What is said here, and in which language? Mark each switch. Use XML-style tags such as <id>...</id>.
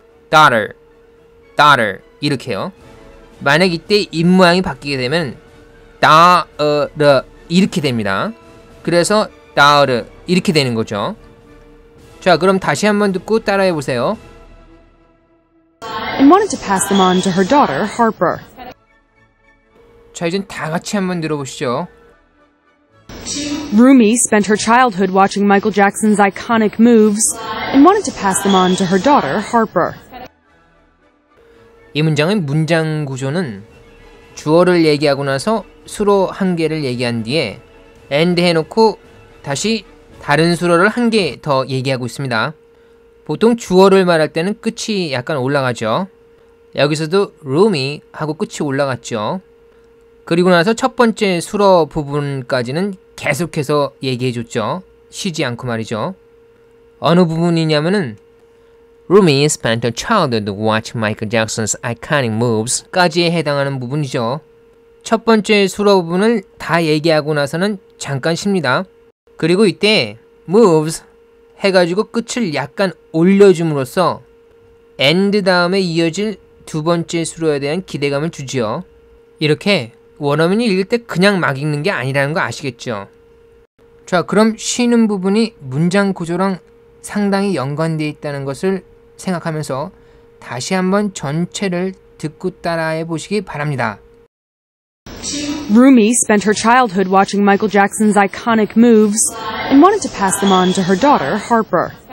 <en>daughter</en> <ko>이렇게요. 만약 이때 입모양이 바뀌게 되면 다어르 이렇게 됩니다. 그래서 다어르 이렇게 되는 거죠. 자, 그럼 다시 한번 듣고 따라해보세요. and wanted to pass them on to her daughter, Harper. 자, 이제 다 같이 한번 들어보시죠.</ko> <en>Rumi spent her childhood watching Michael Jackson's iconic moves and wanted to pass them on to her daughter, Harper.</en> <ko>이 문장의 문장 구조는 주어를 얘기하고 나서 수로 한 개를 얘기한 뒤에 and 해놓고 다시 다른 수로를 한 개 더 얘기하고 있습니다. 보통 주어를 말할 때는 끝이 약간 올라가죠. 여기서도 Rumi 하고 끝이 올라갔죠. 그리고 나서 첫 번째 수로 부분까지는 계속해서 얘기해줬죠. 쉬지 않고 말이죠. 어느 부분이냐면은</ko> <en>Rumi spent her childhood watching Michael Jackson's iconic moves</en> <ko>까지에 해당하는 부분이죠. 첫 번째 수로 부분을 다 얘기하고 나서는 잠깐 쉽니다. 그리고 이때 moves 해가지고 끝을 약간 올려줌으로써 end 다음에 이어질 두 번째 수로에 대한 기대감을 주지요. 이렇게 원어민이 읽을 때 그냥 막 읽는 게 아니라는 거 아시겠죠? 자, 그럼 쉬는 부분이 문장 구조랑 상당히 연관되어 있다는 것을 생각하면서 다시 한번 전체를 듣고 따라해 보시기 바랍니다.</ko> <en>Rumi spent her childhood watching Michael Jackson's iconic moves and wanted to pass them on to her daughter, Harper.</en>